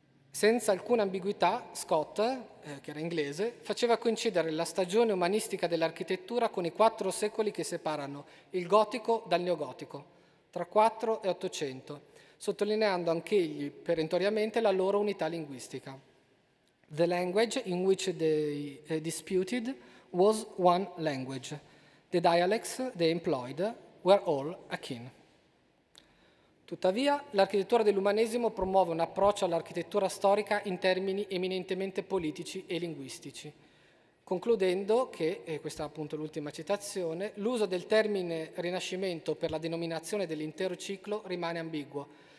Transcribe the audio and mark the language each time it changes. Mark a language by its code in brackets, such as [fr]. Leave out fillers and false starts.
[it] Senza alcuna ambiguità, Scott, che era inglese, faceva coincidere la stagione umanistica dell'architettura con i quattro secoli che separano il gotico dal neogotico, tra 4 e 800, sottolineando anch'egli perentoriamente la loro unità linguistica. [en] The language in which they disputed was one language. The dialects they employed were all akin. [it] Tuttavia, l'architettura dell'umanesimo promuove un approccio all'architettura storica in termini eminentemente politici e linguistici, concludendo che, e questa è appunto l'ultima citazione, l'uso del termine rinascimento per la denominazione dell'intero ciclo rimane ambiguo.